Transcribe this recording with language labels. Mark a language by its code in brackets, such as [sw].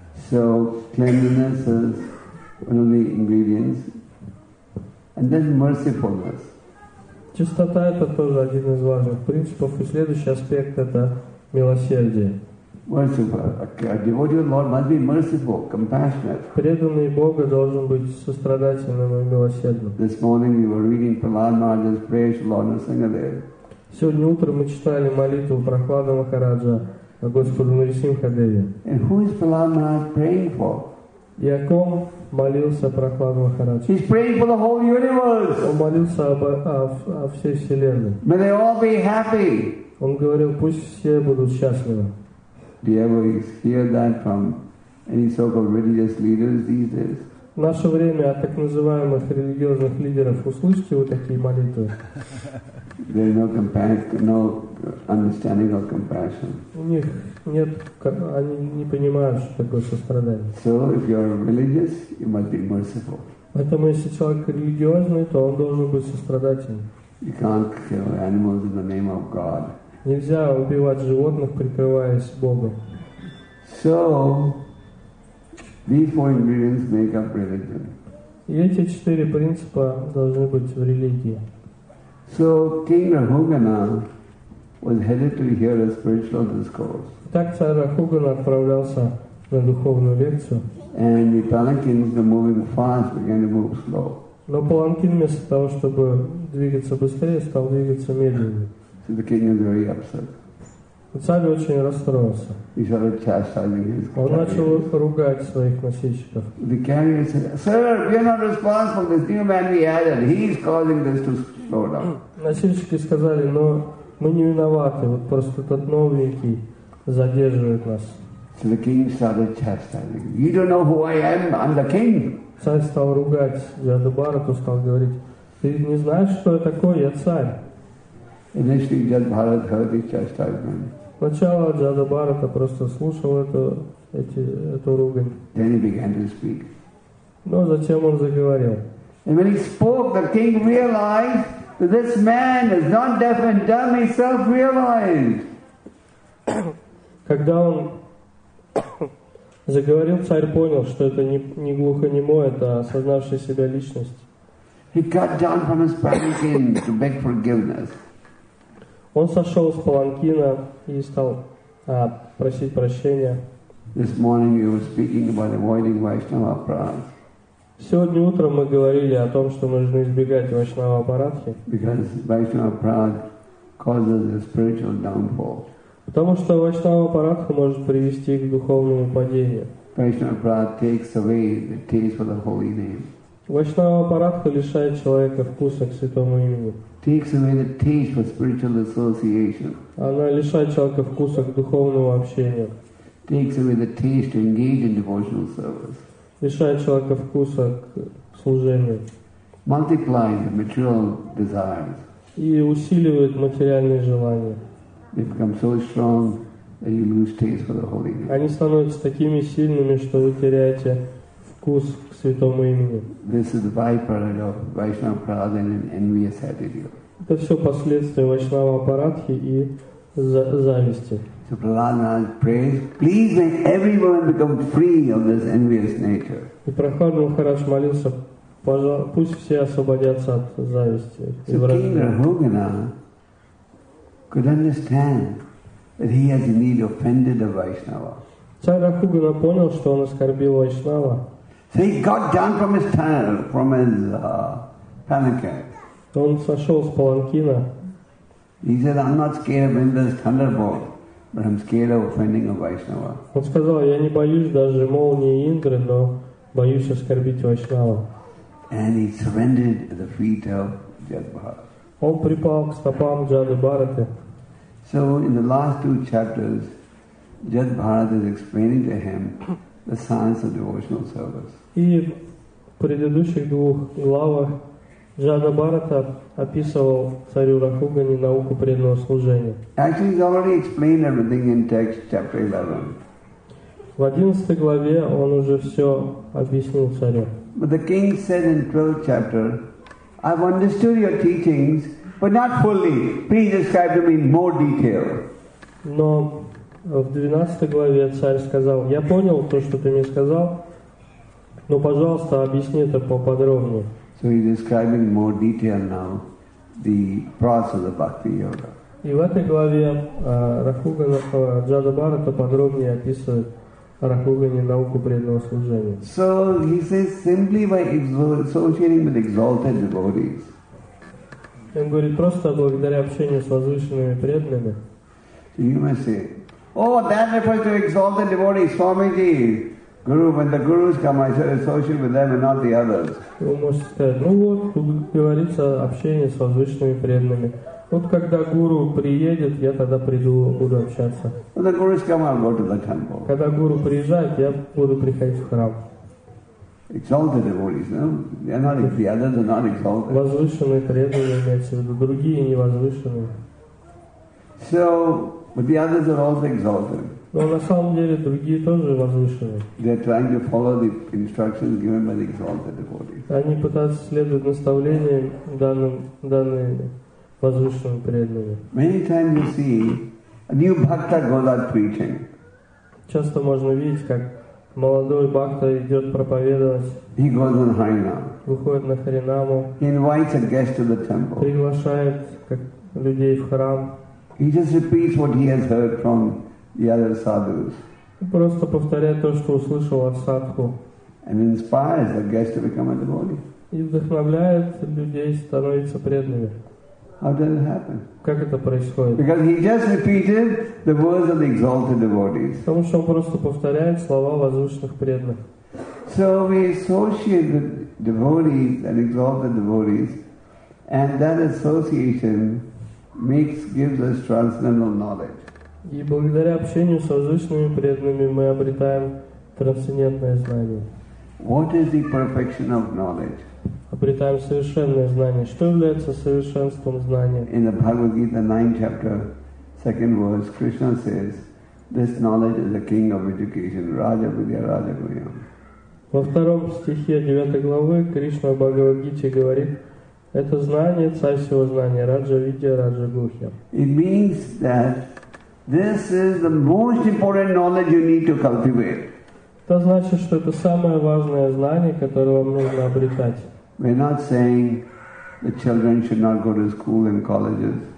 [en] So cleanliness is one of the ingredients, and then mercifulness. [ru] Чистота это тоже один из важных принципов, и следующий аспект это милосердие. [en] Merciful. A devotee of the Lord must be merciful, compassionate. [ru] Преданный Бога должен быть сострадательным и милосердным. [en] This morning we were reading Prahlada Maharaja's prayers to Lord Narasimhadev. [ru] Сегодня утром мы читали молитву Прахлада Махараджа Господу Нарисимхадеве. [en] And who is Prahlada Maharaj praying for? [ru] И о ком молился Прахлада Махарадж? [en] He's praying for the whole universe. [ru] Он молился о всей вселенной. [en] May they all be happy. [ru] Он говорил, пусть все будут счастливы. [en] Do you ever hear that from any so-called religious leaders these days? [ru] В наше время от так называемых религиозных лидеров услышите вы такие молитвы? [en] There is no compassion, no understanding of compassion. [ru] У них нет, они не понимают, что такое сострадание. [en] So if you are religious, you must be merciful. [ru] Поэтому если человек религиозный, то он должен быть сострадательным. [en] You can't kill animals in the name of God. [ru] Нельзя убивать животных, прикрываясь Богом. [en] So these four ingredients make up religion. [ru] И эти четыре принципа должны быть в религии. [en] So King Rahugana was headed to hear a spiritual discourse. [ru] Так царь Рахугана отправлялся на духовную лекцию. [en] And the palanquins were moving fast, began to move slow. [ru] Но паланкин вместо того, чтобы двигаться быстрее, стал двигаться медленнее. [en] So the king was very upset. [ru] Царь очень расстроился. [en] He started chastising his carriers. [ru] Он начал ругать своих носильщиков. [en] The carrier said, "Sir, we are not responsible. This new man we added, he is causing this to slow down." [ru] Носильщики сказали, но мы не виноваты, вот просто этот новенький задерживает нас. [en] So the king started chastising. You don't know who I am. I'm the king. [ru] Царь стал ругать Джадабарату, стал говорить, ты не знаешь, кто я такой, я царь. [en] Initially, Jadbharat heard his chastisement. [ru] Сначала Джадабарата просто слушал эту ругань. [en] Then he began to speak. [ru] Но затем он заговорил. [en] And when he spoke, the king realized that this man is not deaf and dumb, he self-realized. [ru] Когда он заговорил, царь понял, что это не глухонемой, это осознавшая себя личность. [en] He got down from his palanquin to beg forgiveness. [ru] Он сошел с паланкина и стал просить прощения. [en] This morning we were speaking about avoiding Vaishnava Aparadhi. [ru] Сегодня утром мы говорили о том, что нужно избегать Вайшнава Апарадхи. [en] Because Vaishnava Aparadhi causes a spiritual downfall. [ru] Потому что Вайшнава Апарадхи может привести к духовному падению. [en] Vaishnava Aparadhi takes away the taste for the holy name. [ru] Вайшнава парадха лишает человека вкуса к святому имени. [en] Takes away the taste for spiritual association. [ru] Она лишает человека вкуса к духовному общению. [en] Takes away the taste to engage in devotional service. [ru] Лишает человека вкуса к служению. [en] Multiplies material desires. [ru] И усиливает материальные желания. [en] They become so strong that you lose taste for the holy name. [ru] Они становятся такими сильными, что вы теряете вкус к святому имени. [en] This is the byproduct of Vaishnava Prada and envious attitude. [ru] Это все последствия Вайшнава Апарадхи и зависти. [en] So Prahlada prays, please make everyone become free of this envious nature. [ru] И Прохлад Махарадж молился, пусть все освободятся от зависти и вражды. [en] So King Rahugana could understand that he has indeed offended a Vaishnava. [ru] Царь Рахугана понял, что он оскорбил Вайшнава. [en] So he got down from his tail, from his palanquin. [ru] Он сошел с паланкина. [en] He said, "I'm not scared of Indra's thunderbolt, but I'm scared of offending a Vaishnava." [ru] Он сказал, я не боюсь даже молнии Индры, но боюсь оскорбить Вайшнава. [en] And he surrendered at the feet of Jadbharata. [ru] Он припал к стопам Джадабхараты. [en] So in the last two chapters, Jadbharata is explaining to him the science of devotional service. [ru] И в предыдущих двух главах Джадабхарата описывал царю Рахугане науку преданного служения. [en] Actually, he's already explained everything in text chapter 11. [ru] В 11 главе он уже все объяснил царю. [en] But the king said in 12th chapter, "I've understood your teachings, but not fully. Please describe them in more detail." [ru] Но в 12 главе царь сказал, я понял то, что ты мне сказал, но, пожалуйста, объясни это поподробнее. [en] So he's describing in more detail now the process of bhakti yoga. [ru] И в этой главе Рахугана Джадабхарата подробнее описывает Рахугане науку преданного служения. [en] So he says simply by associating with exalted devotees. [ru] Он говорит, просто благодаря общению с возвышенными преданными. [en] So you may say, "Oh, that refers to exalted devotees, Swamiji. Guru, when the gurus come, I should associate with them and not the others." [ru] Вы можете сказать, ну вот, тут говорится общение с возвышенными преданными. Вот когда гуру приедет, я тогда приду, буду общаться. [en] When the gurus come, I'll go to the temple. [ru] Когда гуру приезжает, я буду приходить в храм. [en] Exalted devotees, no? They are not, the others are not exalted. [ru] Возвышенные преданные, имеется в виду, другие не возвышенные. [en] So, but the others are also exalted. [ru] Но на самом деле другие тоже возвышенные. [en] They are trying to follow the instructions given by the exalted devotees. [ru] Они пытаются следовать наставлениям данным возвышенным преданным. [en] Many times you see a new bhakta goes out preaching. [ru] Часто можно видеть, как молодой бхакта идет проповедовать. [en] He goes on Harinam. [ru] Выходит на Харинаму. [en] He invites a guest to the temple. [ru] Приглашает людей в храм. [en] He just repeats what he has heard from the other sadhus. [ru] Просто повторяет то, что услышал от садху. [en] And inspires the guest to become a devotee. [ru] И вдохновляет людей становиться преданными. [en] How did it happen? [ru] Как это происходит? [en] Because he just repeated the words of the exalted devotees. [ru] Потому что он просто повторяет слова возвышенных преданных. [en] So we associate with devotees and exalted devotees, and that association gives us transcendental knowledge. [ru] И благодаря общению с возвышенными преданными мы обретаем трансцендентное знание. [en] What is the perfection of knowledge? [ru] Обретаем совершенное знание. Что является совершенством знания? [en] In the Bhagavad Gita 9 chapter, second verse, Krishna says, "This knowledge is the king of education, Raja Vidya Raja Guyam." [ru] Во втором стихе 9 главы Кришна в Бхагавад Гите говорит, это знание, царь всего знания, Раджа Видья Раджа Гухья. [en] It means that this is the most important knowledge you need to cultivate. [ru] Это значит, что это самое важное знание, которое вам нужно обретать. [en] We're not saying that children should not go to school and colleges.